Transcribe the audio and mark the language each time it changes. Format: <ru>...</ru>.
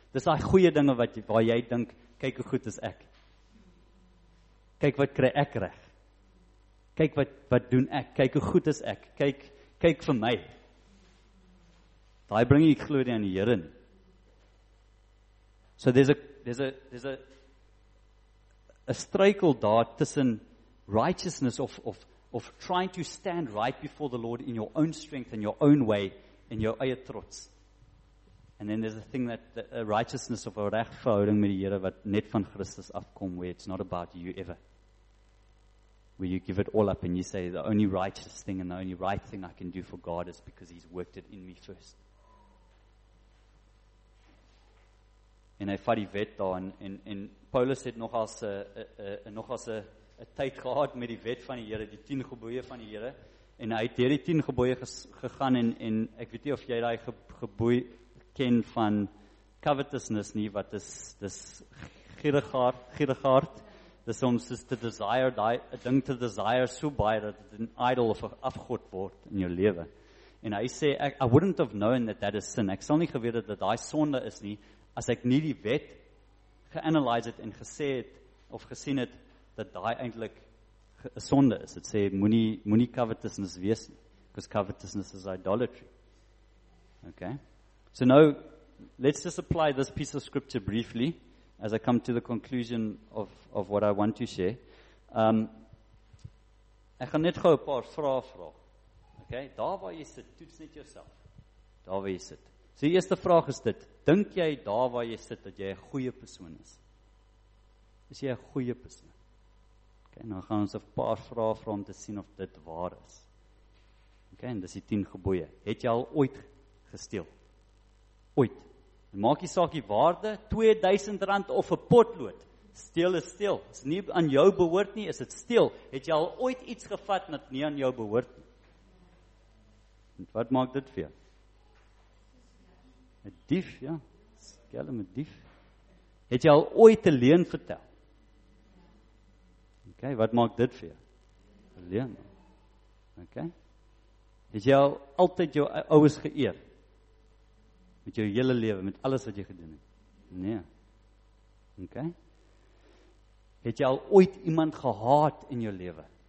<af>Dis die goeie dinge waar jy dink, kyk hoe goed is ek. Kyk wat kry ek reg. Kyk wat doen ek, kyk hoe goed is ek, kyk vir my. Daai bring jy glorie aan die Here. So</af> <en>there's a struggle</en> <af>daar tussen</af> <en>righteousness of trying to stand right before the Lord in your own strength and your own way in your eie trots. And then there's a thing that the righteousness of a</en> <af>regverhouding met die Here wat net van Christus afkom,</af> <en>where it's not about you ever. Where you give it all up and you say the only righteous thing and the only right thing I can do for God is because He's worked it in me first.</en> <af>En hy vat die wet daar en Paulus het nogals 'n tyd gehad met die wet van die Here, die 10 gebooie van die Here, en hy het deur die 10 gebooie gegaan en ek weet nie of jy daai gebooi ken van covetousness nie, wat is dis gierigheid. Dis om soos te desire, die ding te desire so baie dat dit 'n idol of 'n afgod word in jou lewe. En hy sê</af> <en>I wouldn't have known that is sin.</en> <af>Ek sal nie geweet het dat daai sonde is nie as ek nie die wet geanalyse het en gesê het of gesien het dat daai eintlik 'n sonde is. Dit sê moenie covetousness wees nie,</af> <en>because covetousness is idolatry.</en> <af>Okay?</af> <en>So now let's just apply this piece of scripture briefly as I come to the conclusion of what I want to share.</en> <af>Ek gaan net gou 'n paar vrae vra. Okay? Daar waar jy sit, toets net jouself. Daar waar jy sit. So die eerste vraag is dit: dink jy daar waar jy sit dat jy 'n goeie persoon is? Is jy 'n goeie persoon? Okay, nou gaan ons 'n paar vrae vra om te sien of dit waar is. Okay, en dis die 10 gebooie. Het jy al ooit gesteel? Ooit? Maak nie saak die waarde, R2000 of 'n potlood. Steel is steel. Is nie aan jou behoort nie, is dit steel. Het jy al ooit iets gevat wat nie aan jou behoort nie? En wat maak dit vir jou? 'n Dief, ja. Skelm, 'n dief. Het jy al ooit 'n leuen vertel? OK, wat maak dit vir jou? 'n Leuen. OK. Het jy al altyd jou ouers geëer? Met jou hele lewe, met alles wat jy gedoen het? Nee. OK. Het jy al ooit iemand gehaat in jou lewe?</af>